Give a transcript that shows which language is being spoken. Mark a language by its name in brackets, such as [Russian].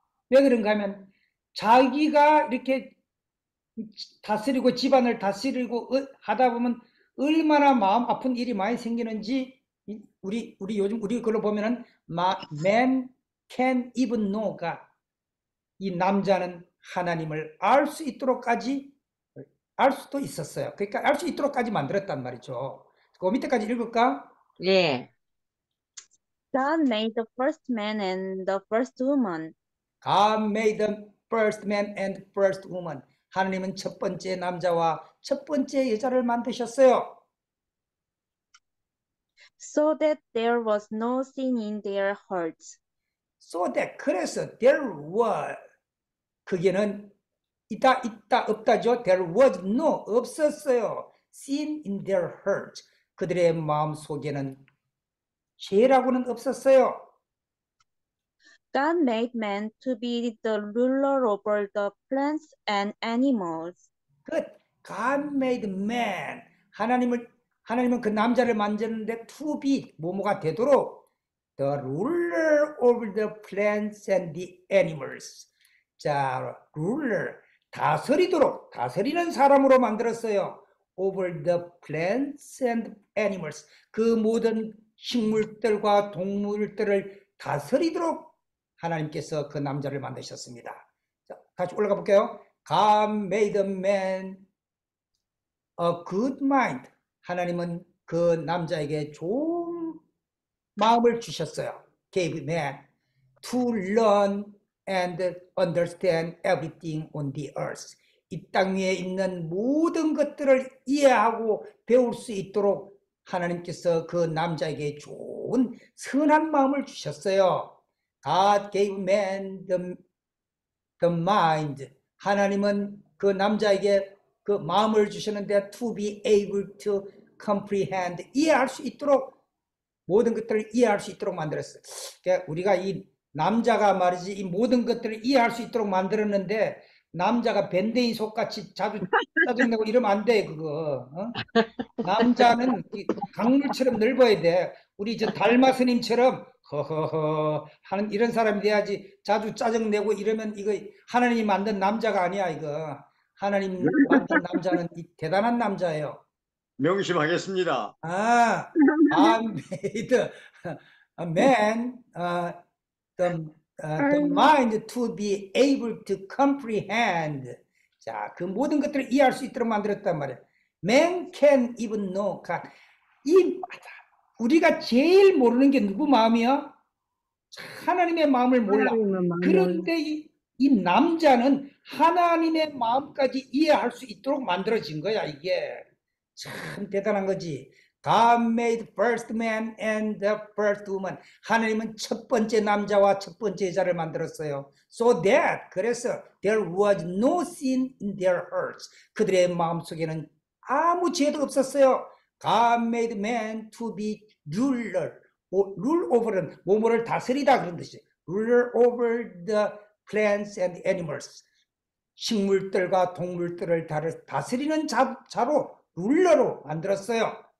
[Korean] 왜 그런가 하면, 자기가 이렇게 다스리고 집안을 다스리고 하다 보면 얼마나 마음 아픈 일이 많이 생기는지, 우리 요즘 우리 걸로 보면은 [English] man can even know God. [Korean] 이 남자는 하나님을 알 수 있도록까지 알 수도 있었어요. 그러니까 알 수 있도록까지 만들었단 말이죠. 그 밑에까지 읽을까? 예. [English] God made the first man and the first woman. God made the first man and first woman. [Korean] 하나님은 첫 번째 남자와 첫 번째 여자를 만드셨어요. [English] So that there was no sin in their hearts. So that, [Korean] 그래서 [English] there was, [Korean] 그게는 있다, 있다, 없다죠. [English] There was no, [Korean] 없었어요. [English] Sin in their hearts. [Korean] 그들의 마음 속에는 죄라고는 없었어요. [English] God made man to be the ruler over the plants and animals. Good. God made man. [Korean] 하나님은 그 남자를 만졌는데 [English] to be, [Korean] 뭐뭐가 되도록 [English] the ruler over the plants and the animals. [Korean] 자, ruler, 다스리도록, 다스리는 사람으로 만들었어요. [English] Over the plants and animals. [Korean] 그 모든 식물들과 동물들을 다스리도록 하나님께서 그 남자를 만드셨습니다. 자, 다시 올라가 볼게요. [English] God made a man a good mind. [Korean] 하나님은 그 남자에게 좋은 마음을 주셨어요. [English] Gave man to learn and understand everything on the earth. [Korean] 이 땅 위에 있는 모든 것들을 이해하고 배울 수 있도록 하나님께서 그 남자에게 좋은 선한 마음을 주셨어요. [English] God gave man the mind. [Korean] 하나님은 그 남자에게 그 마음을 주셨는데 [English] to be able to comprehend, [Korean] 이해할 수 있도록, 모든 것들을 이해할 수 있도록 만들었어요. 그러니까 우리가 이 남자가 말이지 이 모든 것들을 이해할 수 있도록 만들었는데 남자가 밴드인 속같이 자주 짜증내고 이러면 안 돼, 그거. 어? 남자는 강물처럼 넓어야 돼. 우리 저 달마 스님처럼 허허허 하는 이런 사람이 돼야지 자주 짜증내고 이러면 이거 하나님이 만든 남자가 아니야, 이거. 하나님이 만든 남자는 대단한 남자예요. 명심하겠습니다. [English] 아, I'm made a man, the mind to be able to comprehend. [Korean] 자, 그 모든 것들을 이해할 수 있도록 만들었단 말이야. [English] Man can even know God. [Korean] 이, 우리가 제일 모르는 게 누구 마음이야? 하나님의 마음을 몰라. 그런데 이 남자는 하나님의 마음까지 이해할 수 있도록 만들어진 거야, 이게. 참 대단한 거지. [English] God made first man and the first woman. [Korean] 하나님은 첫 번째 남자와 첫 번째 여자를 만들었어요. [English] So that, [Korean] 그래서 [English] there was no sin in their hearts. [Korean] 그들의 마음 속에는 아무 죄도 없었어요. [English] God made man to be ruler. Rule over는 [Korean] 뭐뭐를 다스리다 그런 뜻이에요. [English] Ruler over the plants and animals. [Korean] 식물들과 동물들을 다스리는 자로 룰러로 만들었어요.